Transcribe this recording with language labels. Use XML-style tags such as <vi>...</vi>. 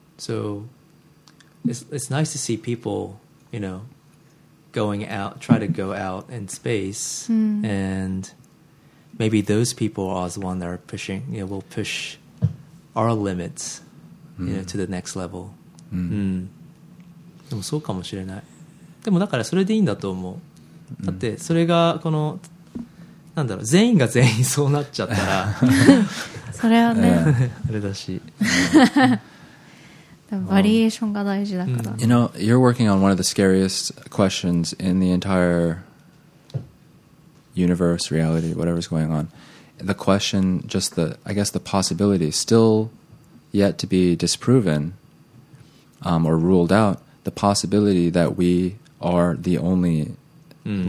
<en>So it's nice to see people, you know, going out, try to go out in space and maybe those people are the one that are pushing, you know, will push our limits. You know, to the next level、 mm.</en> <ja>うん、でもそうかもしれない。でもだからそれでいいんだと思う。だってそれがこのなんだろう、全員が全員そうなっちゃったらそれはね、あれだし、でもバリエーションが大事だから、</ja> <en>You know, you're working on one of the scariest questions in the entire universe, reality, whatever's going on. The question, just the, I guess the possibility stillyet to be disproven、or ruled out, the possibility that we are the only、mm.</en>